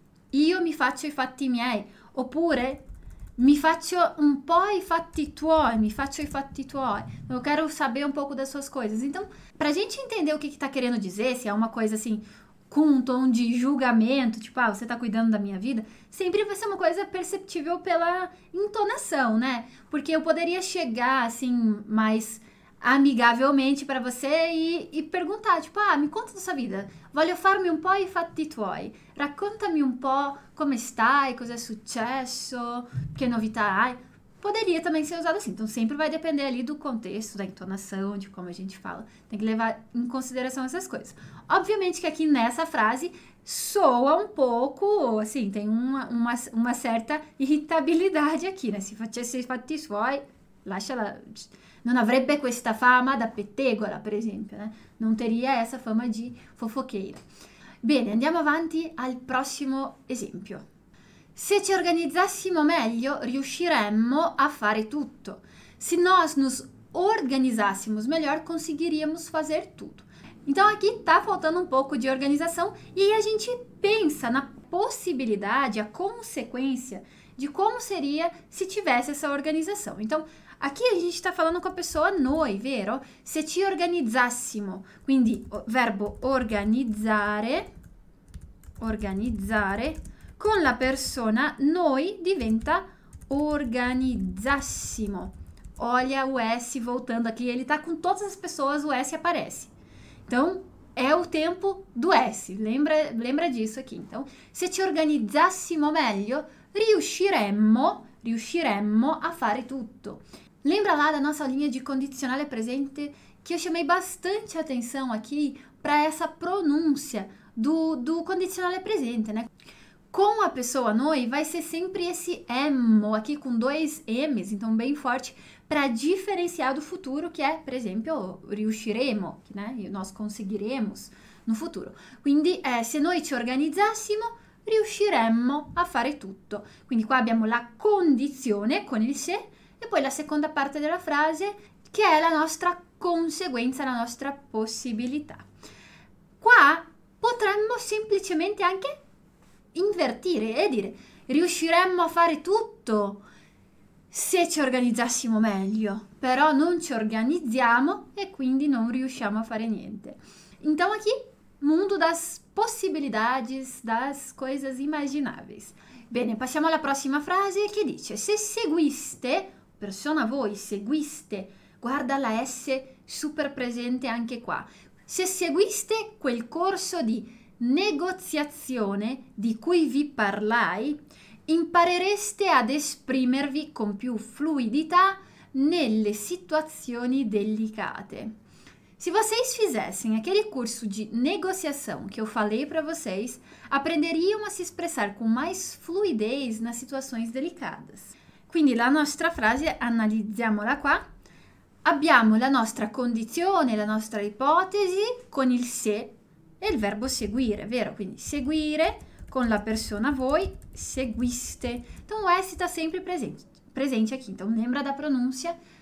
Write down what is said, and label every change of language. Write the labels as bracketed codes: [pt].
[it] Io mi faccio i fatti miei. Oppure, mi faccio un po' i fatti tuoi, mi faccio i fatti tuoi. [pt] Eu quero saber um pouco das suas coisas. Então, para a gente entender o que que tá querendo dizer, se é uma coisa assim, com um tom de julgamento, tipo, ah, você tá cuidando da minha vida, sempre vai ser uma coisa perceptível pela entonação, né? Porque eu poderia chegar assim, mais amigavelmente para você e perguntar, tipo, ah, me conta da sua vida, [it] voglio farmi un po' i fatti tuoi, raccontami un po' come stai, cosa è successo, che novità hai. [pt] Poderia também ser usado assim, então sempre vai depender ali do contexto, da entonação, de como a gente fala. Tem que levar em consideração essas coisas. Obviamente que aqui nessa frase soa um pouco, assim, tem uma certa irritabilidade aqui, né? [it] Se facesse i fatti suoi, lasciala, non avrebbe questa fama da pettegola, per esempio, né? Non teria essa fama di fofocheira. Bene, andiamo avanti al prossimo esempio. Se ci organizzassimo meglio, riusciremmo a fare tutto. [pt] Se nós nos organizássemos melhor, conseguiríamos fazer tudo. Então, aqui está faltando um pouco de organização e a gente pensa na possibilidade, a consequência de como seria se tivesse essa organização. Então, aqui a gente está falando com a pessoa [it] noi, vero? Se ci organizzassimo, [pt] quindi o verbo [it] organizzare, organizzare. Con la persona noi diventa organizzassimo. [pt] Olha o S voltando aqui, ele tá com todas as pessoas, o S aparece. Então, è o tempo do essi, lembra disso aqui. Então, [it] se ci organizzassimo meglio, riusciremmo a fare tutto. [pt] Lembra lá da nossa linha de condicionale presente que eu chamei bastante atenção aqui para essa pronúncia do condicionale presente, né? Com a pessoa noi vai ser sempre esse emmo aqui com dois M's, então bem forte, para diferenciar do futuro, que é, por exemplo, [it] riusciremo, [pt] né? Nós conseguiremos no futuro. [it] Quindi, se noi ci organizzassimo, riusciremmo a fare tutto. Quindi qua abbiamo la condizione con il se. E poi la seconda parte della frase, che è la nostra conseguenza, la nostra possibilità. Qua potremmo semplicemente anche invertire e dire: riusciremmo a fare tutto se ci organizzassimo meglio, però non ci organizziamo e quindi non riusciamo a fare niente. [pt] Então, aqui, mundo das possibilidades, das coisas imagináveis. [it] Bene, passiamo alla prossima frase che dice: se seguiste. Persona voi seguiste, guarda la S super presente anche qua. Se seguiste quel corso di negoziazione di cui vi parlai, imparereste ad esprimervi con più fluidità nelle situazioni delicate. [pt] Se vocês fizessem aquele curso de negociação que eu falei para vocês, aprenderiam a se expressar com mais fluidez nas situações delicadas. [it] Quindi la nostra frase, analizziamola qua. Abbiamo la nostra condizione, la nostra ipotesi con il se e il verbo seguire, vero? Quindi seguire con la persona voi, seguiste. [pt] Então o S sta sempre presente aqui, então lembra da pronuncia?